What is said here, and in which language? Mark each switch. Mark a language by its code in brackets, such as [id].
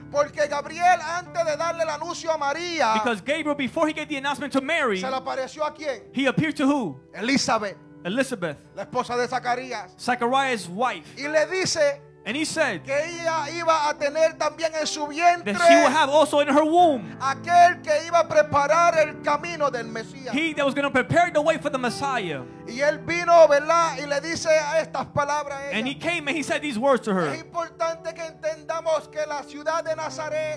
[es] porque Gabriel, antes de darle el anuncio a María, [en] because Gabriel, before he gave the announcement to Mary, [es] se le apareció a quién? [en] He appeared to who? [es] Elizabeth. [en] Elizabeth, [es] la esposa de Zacarías, [en] Zachariah's wife, [es] y le dice, [en] and he said, [es] que ella iba a tener también en su vientre, [en] that she would have also in her womb, [es] aquel que iba a preparar el camino del Mesías, [en] he that was going to prepare the way for the Messiah. [es] Y él vino, ¿verdad? Y le dice estas palabras a ella. [en] And he came and he said these words to her. [es] Es importante que entendamos que la ciudad de Nazaret.